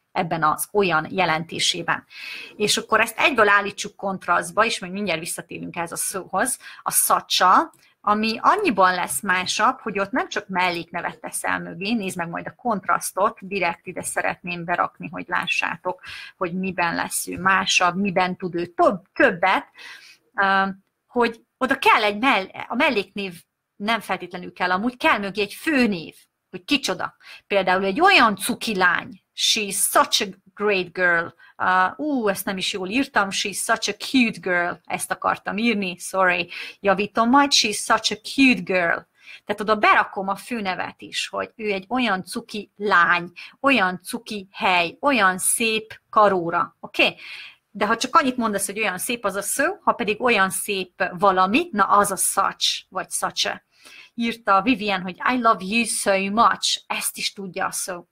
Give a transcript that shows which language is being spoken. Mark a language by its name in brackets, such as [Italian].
[Hungarian] Ebben az olyan jelentésében. És akkor ezt egyből állítsuk kontrasztba, és még mindjárt visszatérünk ez a szóhoz, a szacsa, ami annyiban lesz másabb, hogy ott nem csak melléknevet teszel mögé, nézd meg majd a kontrasztot, direkt ide szeretném berakni, hogy lássátok, hogy miben lesz ő másabb, miben tud ő többet, hogy oda kell a melléknév nem feltétlenül kell, amúgy kell mögé egy főnév, hogy kicsoda. Például egy olyan cuki lány, [English] she's such a great girl. [Hungarian] Ezt nem is jól írtam, [English] she's such a cute girl. [Hungarian] Ezt akartam írni, sorry. Javítom majd, [English] she's such a cute girl. [Hungarian] Tehát oda berakom a főnevet is, hogy ő egy olyan cuki lány, olyan cuki hely, olyan szép karóra. Oké? De ha csak annyit mondasz, hogy olyan szép az a szó, ha pedig olyan szép valami, na az a such, vagy such a. Írta Vivian, hogy [English] I love you so much, [Hungarian] ezt is tudja a szó.